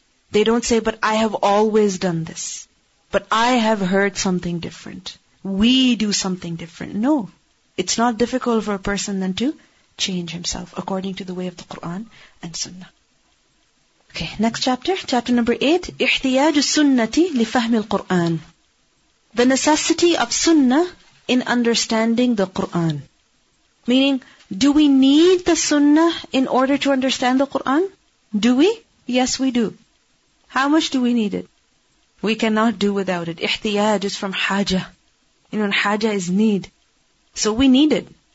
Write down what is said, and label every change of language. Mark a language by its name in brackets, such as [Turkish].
[English] They don't say, but I have always done this. But I have heard something different. We do something different. No. It's not difficult for a person then to change himself according to the way of the Quran and Sunnah. Okay, next chapter, chapter number 8. [Arabic] احتياج السنة لفهم القرآن. [English] The necessity of Sunnah in understanding the Quran. Meaning, do we need the Sunnah in order to understand the Quran? Do we? Yes, we do. How much do we need it? We cannot do without it. احتياج is from حاجة. You know, حاجة is need. So we need it.